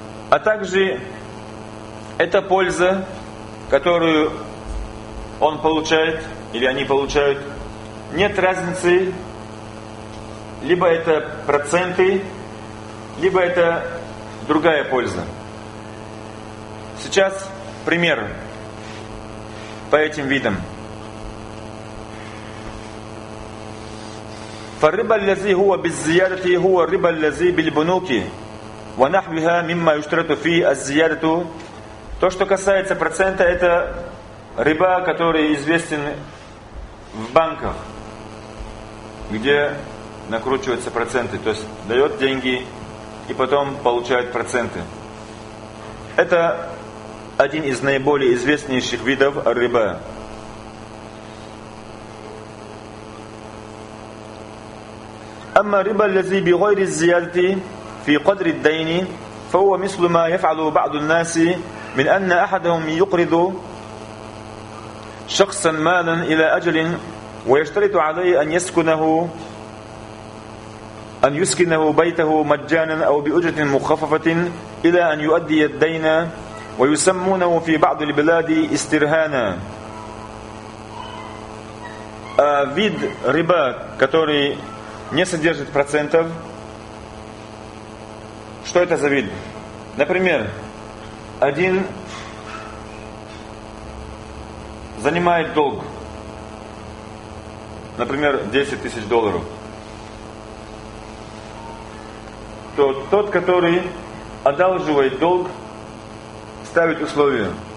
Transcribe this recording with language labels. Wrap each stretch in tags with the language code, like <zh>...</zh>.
<ru>А также эта польза, которую он получает, или они получают, нет разницы, либо это проценты, либо это другая польза. Сейчас пример по этим видам.</ru> <ar>فالربا الذي هو بالزيادة هو الربا الذي بالبنوك ونحوها مما يشترط فيه الزيادة.</ar> <ru>То, что касается процента, это риба, который известен в банках, где накручиваются проценты, то есть дает деньги и потом получает проценты. Это один из наиболее известнейших видов риба.</ru> <ar>أما ربا الذي بغير الزيادة في قدر الدين فهو مثل ما يفعل بعض الناس من أن أحدهم يقرض شخصا مالا إلى أجل ويشترط عليه أن يسكنه أن يسكنه بيته مجانا أو بأجرة مخففة إلى أن يؤدي الدين ويسمونه في بعض البلاد استرهانا.</ar> <ru>Вид риба, который не содержит процентов. Что это за вид? Например, один занимает долг, например, 10 тысяч долларов, то тот, который одалживает долг, ставит условие.</ru>